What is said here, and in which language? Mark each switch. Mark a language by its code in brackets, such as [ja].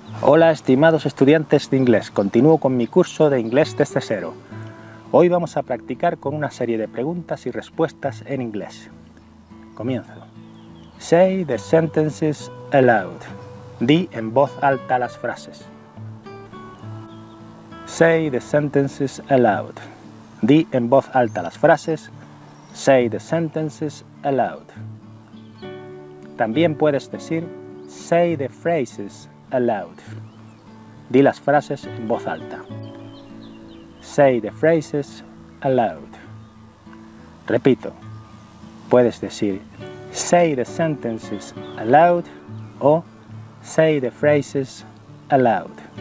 [es] Hola, estimados estudiantes de inglés. Continúo con mi curso de inglés desde cero. Hoy vamos a practicar con una serie de preguntas y respuestas en inglés. Comienzo. [en] Say the sentences aloud. [es] Di en voz alta las frases. [en] Say the sentences aloud. [es] Di en voz alta las frases. [en] Say the sentences aloud. [es] También puedes decir [en] say the phrases aloud. [es] Di las frases en voz alta. [en] Say the phrases aloud. [es] Repito. Puedes decir [en] say the sentences aloud [es] o [en] say the phrases aloud.